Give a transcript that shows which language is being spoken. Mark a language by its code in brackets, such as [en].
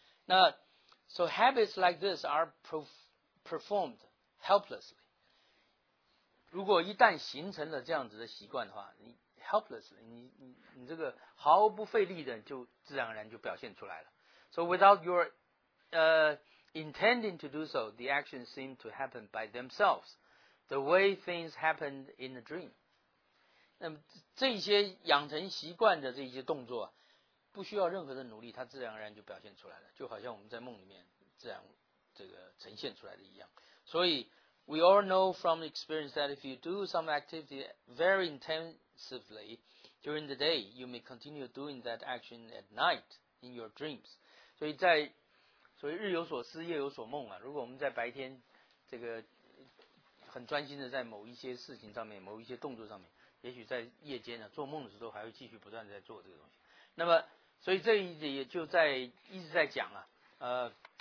[en] 那 So habits like this are performed helplessly， [zh] 如果一旦形成了这样子的习惯的话，你 [en] helpless， [zh] 你这个毫不费力的就自然而然就表现出来了。 [en] So without your intending to do so, the actions seem to happen by themselves, the way things happened in a dream. [zh] 那么这些养成习惯的这些动作，不需要任何的努力，它自然而然就表现出来了，就好像我们在梦里面自然这个呈现出来的一样。 [en] 所以We all know from experience that if you do some activity very intensively during the day, you may continue doing that action at night in your dreams. [zh] 所以日有所思，夜有所梦啊。如果我们在白天这个很专心的在某一些事情上面、某一些动作上面，也许在夜间呢、做梦的时候，还会继续不断地在做这个东西。那么，所以这一点也就在一直在讲啊，